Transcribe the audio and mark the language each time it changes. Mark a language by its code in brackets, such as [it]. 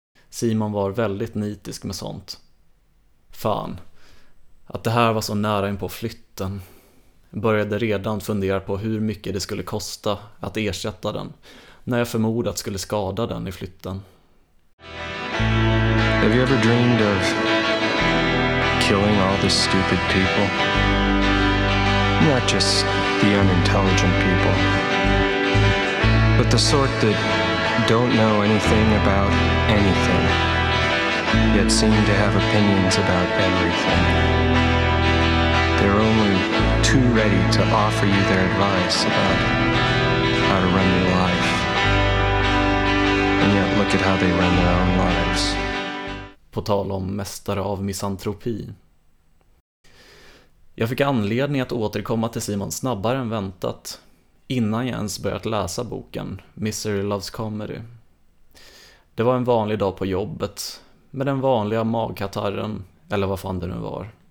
[sv] Simon var väldigt nitisk med sånt. Fan, att det här var så nära in på flytten. Jag började redan fundera på hur mycket det skulle kosta att ersätta den, när jag förmodat skulle skada den i flytten. [en] Have you ever dreamed of killing all the stupid people? Not just the unintelligent people, but the sort that don't know anything about anything, yet seem to have opinions about everything. They're only too ready to offer you their advice about how to run your life. And yet look at how they run their own lives. [sv] På tal om mästare av misantropi. Jag fick anledning att återkomma till Simon snabbare än väntat, innan jag ens börjat läsa boken Misery Loves Comedy. Det var en vanlig dag på jobbet, med den vanliga magkatarren, eller vad fan det nu var.